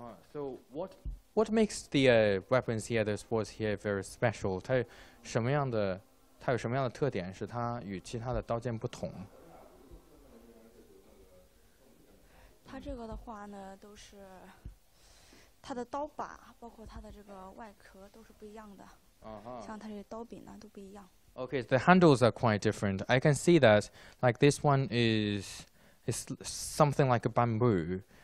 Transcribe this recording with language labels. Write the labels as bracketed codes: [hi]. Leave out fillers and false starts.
[en] So what makes the weapons here, the swords here, very special? [zh] 它有什么样的... 它有什么样的特点是它与其他的刀剑不同? 它这个的话呢,都是... 它的刀把,包括它的这个外壳都是不一样的。像它这刀柄呢,都不一样。 [en] Okay, the handles are quite different. I can see that, like this one is something like a bamboo.